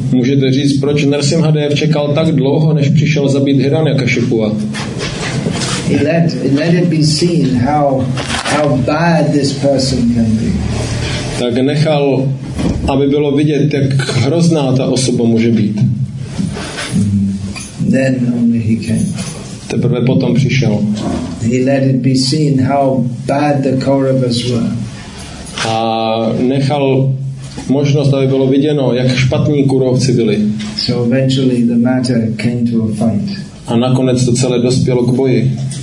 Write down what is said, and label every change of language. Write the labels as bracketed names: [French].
[Czech] Můžete říct, proč Nrsimhadev čekal tak dlouho, než přišel zabít Hiranyakashipua? [English] Let it be seen how bad this person can be. [Czech] Tak nechal, aby bylo vidět, jak hrozná ta osoba může být. [English] Then only he came. [Czech] Teprve potom přišel. [English] He let it be seen how bad the Kauravas were. [Czech] A nechal možnost, aby bylo viděno, jak špatní kurovci byli. [English] So eventually the matter came to a fight. [Czech] A nakonec to celé dospělo k boji.